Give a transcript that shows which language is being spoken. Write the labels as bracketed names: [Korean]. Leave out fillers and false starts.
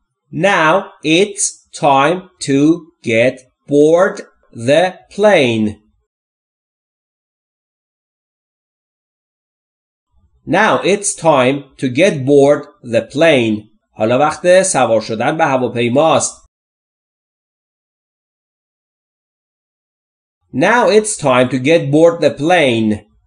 [English] Now it's time to get board the plane. Now it's time to get board the plane. [Persian] حالا وقت سوار شدن به هواپیماست. [English] Now it's time to get board the plane.